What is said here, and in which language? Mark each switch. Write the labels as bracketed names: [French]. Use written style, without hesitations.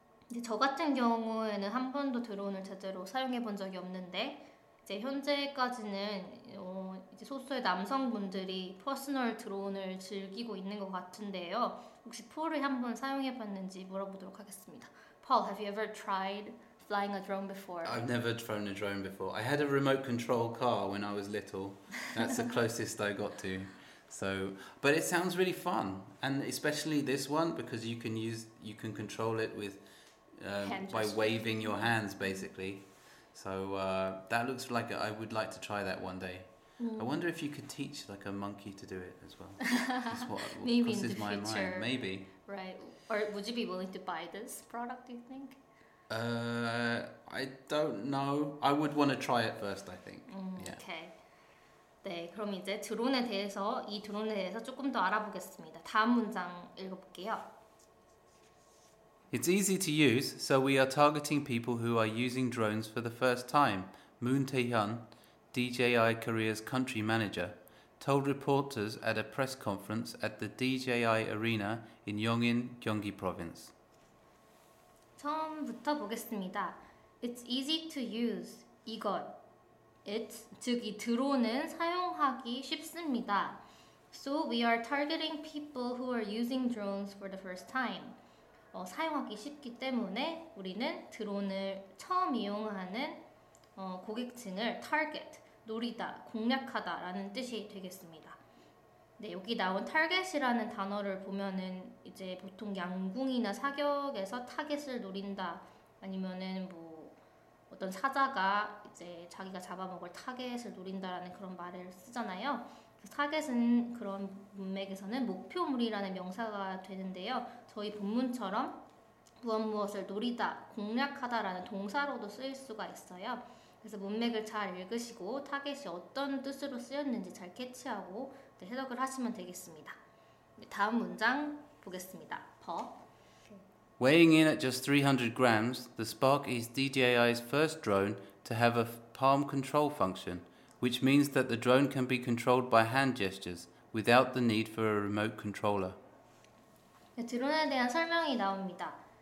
[Korean] 이제 저 같은 경우에는 한 번도 드론을 제대로 사용해 본 적이 없는데 이제 현재까지는 이제 소수의 남성분들이 퍼스널 드론을 즐기고 있는 것 같은데요. 혹시 폴을 한번 사용해 봤는지 물어보도록 하겠습니다. [English] Paul, have you ever tried flying a drone before? I've never flown a drone before. I had a remote control car when I was little. That's the closest I got to. So, but it sounds really fun, and especially this one because you can control it with by waving your hands basically. So that looks like I would like to try that one day. Mm. I wonder if you could teach like a monkey to do it as well. Maybe in the future. My mind. Maybe. Right. Or would you be willing to buy this product, do you think? I don't know. I would want to try it first, I think. Yeah. Okay. [Korean] 네, 그럼 이제 드론에 대해서 이 드론에 대해서 조금 더 알아보겠습니다. 다음 문장 읽어볼게요. [English] It's easy to use, so we are targeting people who are using drones for the first time, Moon Tae-hyun, DJI Korea's country manager, told reporters at a press conference at the DJI Arena in Yongin, Gyeonggi Province. [Korean] 처음부터 보겠습니다. [English] It's easy to use, 이것. [Korean] It's, 즉 이 드론은 사용하기 쉽습니다. [English] So we are targeting people who are using drones for the first time. [Korean] 사용하기 쉽기 때문에 우리는 드론을 처음 이용하는 고객층을 target, 노리다, 공략하다 라는 뜻이 되겠습니다. 네, 여기 나온 target이라는 단어를 보면은 이제 보통 양궁이나 사격에서 타겟을 노린다 아니면은 뭐 어떤 사자가 이제 자기가 잡아먹을 타겟을 노린다라는 그런 말을 쓰잖아요. 타겟은 그런 문맥에서는 목표물이라는 명사가 되는데요. 저희 본문처럼 무엇무엇을 노리다, 공략하다 라는 동사로도 쓰일 수가 있어요. 그래서 문맥을 잘 읽으시고 타겟이 어떤 뜻으로 쓰였는지 잘 캐치하고 해석을 하시면 되겠습니다. 다음 문장 보겠습니다. 퍼. [English] Weighing in at just 300 grams, the Spark is DJI's first drone to have a palm control function, which means that the drone can be controlled by hand gestures without the need for a remote controller. [Korean] 네, 드론에 대한 설명이 나옵니다.